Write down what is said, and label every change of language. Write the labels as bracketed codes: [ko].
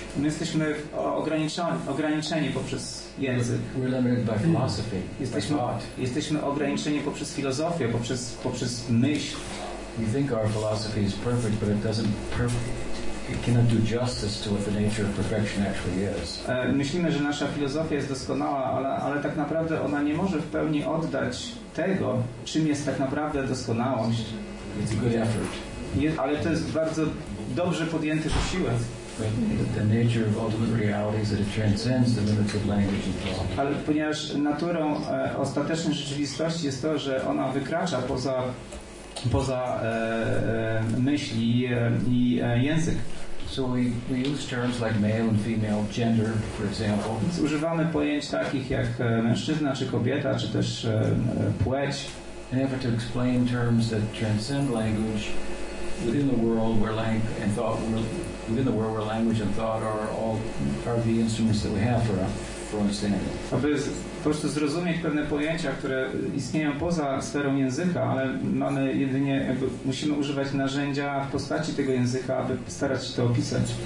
[pl] My jesteśmy ograniczeni poprzez język. [en] We're limited by philosophy. [pl] Jesteśmy ograniczeni poprzez filozofię, poprzez myśl. [en] We think our philosophy is perfect, but it doesn't cannot do justice to what the nature of perfection actually is. [pl] Myślimy, że nasza filozofia jest doskonała, ale tak naprawdę ona nie może w pełni oddać tego, czym jest tak naprawdę doskonałość. [en] It's a good effort. [pl] Ale to jest bardzo dobrze podjęty wysiłek. [en] The nature of ultimate reality is that it transcends the limits of language and thought. [pl] Ale ponieważ naturą ostatecznej rzeczywistości jest to, że ona wykracza poza myśli i język. [en] So we use terms like male and female, gender, for example. [pl] Używamy pojęć takich jak mężczyzna czy kobieta, czy też płeć. [en] In effort to explain terms that transcend language within the world where language and thought will. Within the world where language and thought are all part of the instruments that we have for understanding. [pl] Aby po prostu zrozumieć pewne pojęcia, które istnieją poza sferą języka, ale mamy jedynie, jakby musimy używać narzędzia w postaci tego języka, aby starać się to opisać.